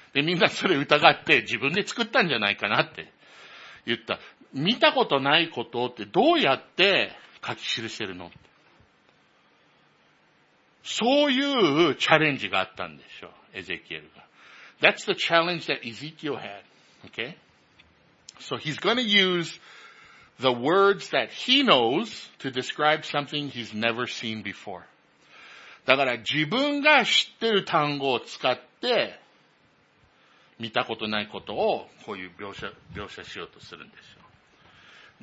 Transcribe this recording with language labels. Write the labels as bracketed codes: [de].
[ja] で、みんなそれ疑って、自分で作ったんじゃないかなって、言った。見たことないことって、どうやって書き記せるの? そういうチャレンジがあったんでしょう、エゼキエルが。 [en] That's the challenge that Ezekiel had. Okay? So he's gonna use the words that he knows to describe something he's never seen before. [ja] だから自分が知ってる単語を使って見たことないことをこういう描写しようとするんでしょう。